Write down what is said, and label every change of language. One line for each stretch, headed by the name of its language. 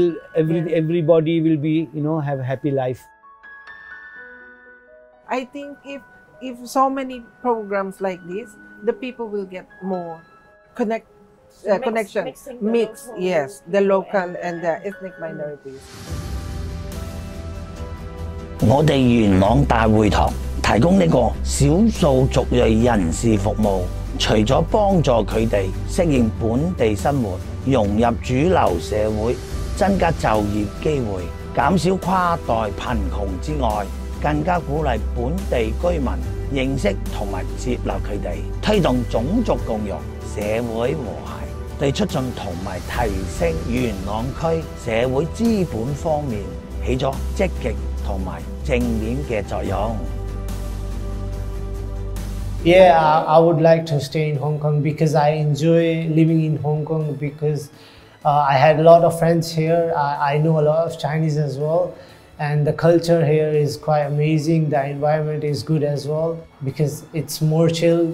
English: everybody will be, you know, have a happy life. I think if so many programs like this, the people will get more connected. Connection, mix, yes, the local and the ethnic minorities.
Cantonese: 我哋元朗大會堂提供呢個少數族裔人士服務，除咗幫助佢哋適應本地生活、融入主流社會、增加就業機會、減少跨代貧窮之外， 更加鼓勵本地居民認識同埋接納佢哋，推動種族共融、社會和諧，對促進同埋提升元朗區社會資本方面起咗積極同埋正面嘅作用。Yeah,
English: I would like to stay in Hong Kong because I enjoy living in Hong Kong because I had a lot of friends here. I know a lot of Chinese as well. And the culture here is quite amazing. The environment is good as well because it's more chill.